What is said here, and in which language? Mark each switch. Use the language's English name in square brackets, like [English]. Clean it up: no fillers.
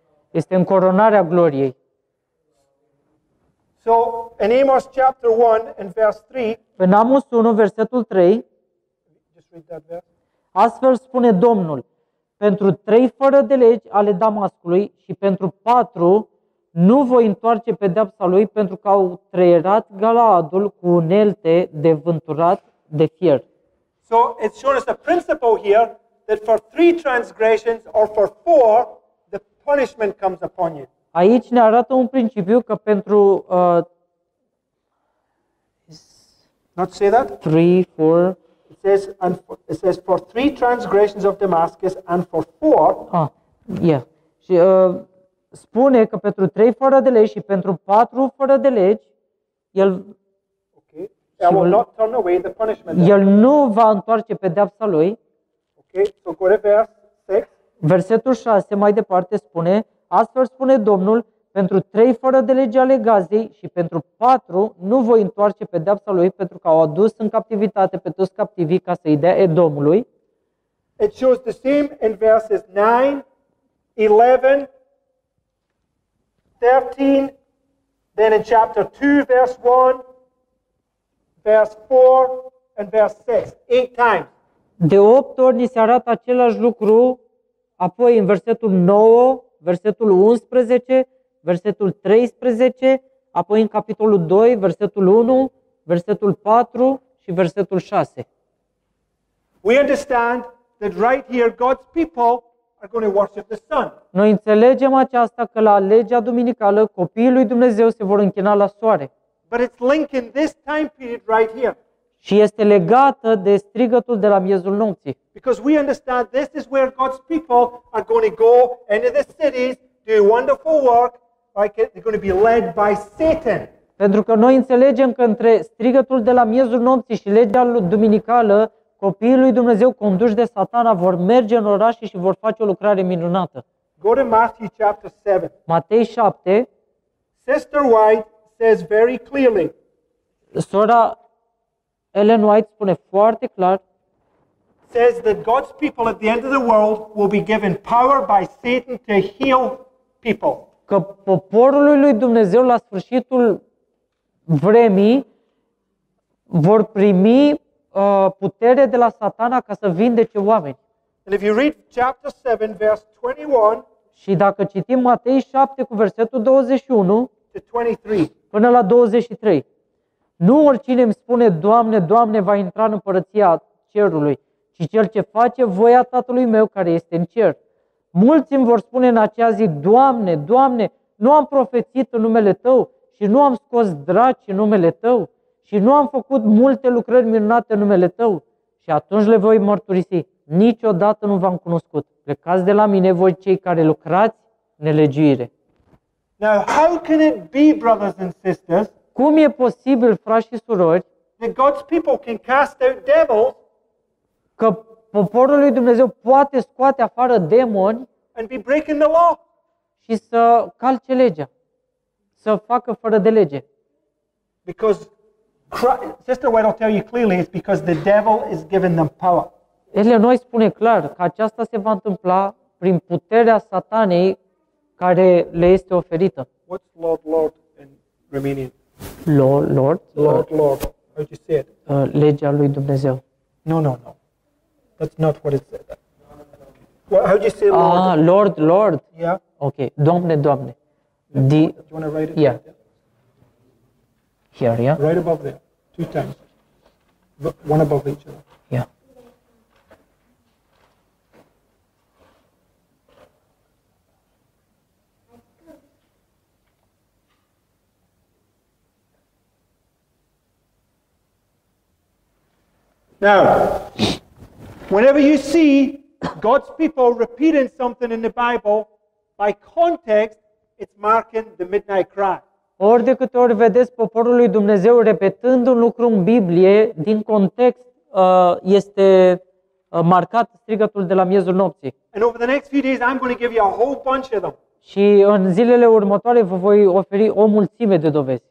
[Romanian] Este încoronarea gloriei. [English] So, in Amos chapter 1 and verse 3. [Romanian] În Amos 1 versetul 3. [English] Just read that verse. [Romanian] Astfel spune Domnul: pentru 3 fără de legi ale Damascului și pentru 4 nu voi întoarce pedeapsa lui pentru că au treierat Galaadul cu unelte de vânturat de fier. [English] So, it's shown us a principle here that for 3 transgressions or for 4 the punishment comes upon you. [Romanian] Aici ne arată un principiu că pentru [English] not say that? 3 4 it says and it says for 3 transgressions of Damascus and for 4 [Romanian] Și spune că pentru 3 fără de legi și pentru 4 fără de legi el [English] I will not turn away the punishment. [Romanian] El nu va întoarce pedeapsa lui. [English] Okay, so go to verse 6. [Romanian] Versetul 6 mai departe spune: astfel spune Domnul, pentru 3 fără de legi ale Gazei și pentru 4 nu voi întoarce pedeapsa lui pentru că au adus în captivitate pe toți captivii ca să-i dea Edomului. [English] It shows the same in verses 9, 11, 13, then in chapter 2 verse 1, verse 4 and verse 6, 8 times. [Romanian] De 8 ori ni se arată același lucru, apoi în versetul 9, versetul 11, versetul 13, apoi în capitolul 2, versetul 1, versetul 4 și versetul 6. [English] We understand that right here God's people are going to worship the sun. [Romanian] Noi înțelegem aceasta că la legea duminicală copiii lui Dumnezeu se vor închina la soare. [English] But it's linked in this time period right here. [Romanian] Și este legată de strigătul de la miezul nopții. [English] Because we understand this is where God's people are going to go into the cities, do wonderful work, like they're going to be led by Satan. [Romanian] Pentru că noi înțelegem că între strigătul de la miezul nopții și legea duminicală, copiii lui Dumnezeu conduși de Satana vor merge în oraș și vor face o lucrare minunată. [English] Go to Matthew chapter 7. [Romanian] Matei 7. [English] Sister White says very clearly. [Romanian] Sora Ellen White spune foarte clar. [English] Says that God's people at the end of the world will be given power by Satan to heal people. [Romanian] Că poporul lui Dumnezeu la sfârșitul vremii vor primi putere de la Satana ca să vindece oameni. [English] And if you read chapter 7 verse 21, [Romanian] și dacă citim Matei 7 cu versetul 21 [English] to 23, [Romanian] până la 23. Nu oricine îmi spune Doamne, Doamne, va intra în împărăția cerului, ci cel ce face voia Tatălui meu care este în cer. Mulți îmi vor spune în acea zi: Doamne, Doamne, nu am profețit în numele Tău și nu am scos draci în numele Tău și nu am făcut multe lucrări minunate în numele Tău. Și atunci le voi mărturisi: niciodată nu v-am cunoscut. Plecați de la mine, voi cei care lucrați nelegiuire. [English] Now, how can it be, brothers and sisters? [Romanian] Cum e posibil, frați și surori, [English] that God's people can cast out devils, [Romanian] că poporul lui Dumnezeu poate scoate afară demoni [English] and be breaking the law, [Romanian] și să calce legea, să facă fără de lege? [English] Because Sister White will tell you clearly, it's because the devil is giving them power. [Romanian] Ellen White spune clar că aceasta se va întâmpla prin puterea Satanei care le este oferită. [English] What's Lord, Lord in Romanian? Lord, Lord, Lord, Lord. How do you say it? [Romanian] Legea lui Dumnezeu. [English] No, no, no. That's not what it said. Well, how do you say Lord? Ah, Lord, Lord. Yeah. Okay. [Romanian] Doamne, Doamne. [English] Yeah. Do you want to write it? Yeah. Here, yeah. Right above there. Two times. One above each other. Yeah. Now, whenever you see God's people repeating something in the Bible, by context, it's marking the midnight cry. [Romanian] Ori de câte ori vedeți poporul lui Dumnezeu repetând un lucru în Biblie, din context este marcat strigătul de la miezul nopții. [English] And over the next few days, I'm going to give you a whole bunch of them. [Romanian] Și în zilele următoare vă voi oferi o mulțime de dovezi.